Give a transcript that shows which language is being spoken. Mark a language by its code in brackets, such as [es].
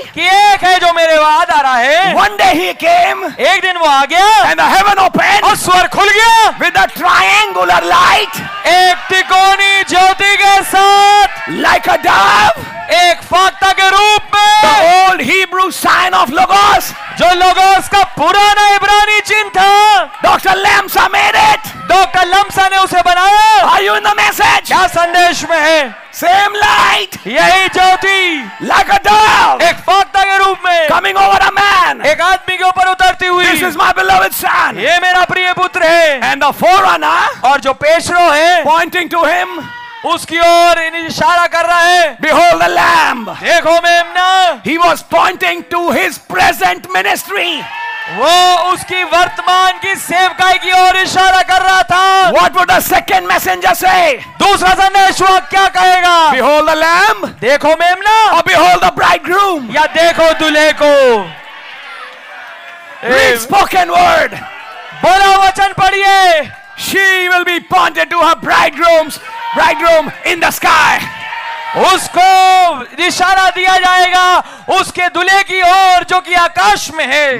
[hi] कि एक है जो मेरे बाद आ रहा है, [en] one day he came, [hi] एक दिन वो आ गया, [en] and the heaven opened, [hi] और स्वर्ग खुल गया, [en] with a triangular light, [hi] एक तिकोनी ज्योति के साथ, [en] like a dove, [hi] एक फाख्ता के रूप में, [en] the old Hebrew sign of logos, [hi] जो logos का पुराना इब्रानी चिन्ह था, [en] Dr. Lamsa made it, Dr. [hi] Lamsa ने उसे बनाया, [en] are you in the message, [hi] क्या संदेश में है, [en] Same light, [hi] यही ज्योति, [en] like a dove, [hi] एक फाख्ता के रूप में, [en] coming over a man, [hi] एक आदमी के ऊपर उतरती हुई, [en] this is my beloved son, [hi] ये मेरा प्रिय पुत्र है, [en] and the forerunner, [hi] और जो पेशरो है, [en] pointing to him, [hi] उसकी ओर इशारा कर रहा है, [en] Behold the Lamb, [hi] देखो मेमना, [en] He was pointing to his present ministry, [hi] वो उसकी वर्तमान की सेवकाई की ओर इशारा कर रहा था, [en] What would the second messenger say, [hi] दूसरा संदेश वो क्या कहेगा, [en] Behold the Lamb, [hi] देखो मेमना, [en] और Behold the bridegroom, [hi] या देखो दूल्हे को, [en] Spoken word, [hi] बोला वचन पढ़िए, [en] She will be pointed to her bridegrooms, bridegroom in the sky. [hi] उसको इशारा दिया जाएगा उसके दुल्हे की ओर जो कि आकाश में है.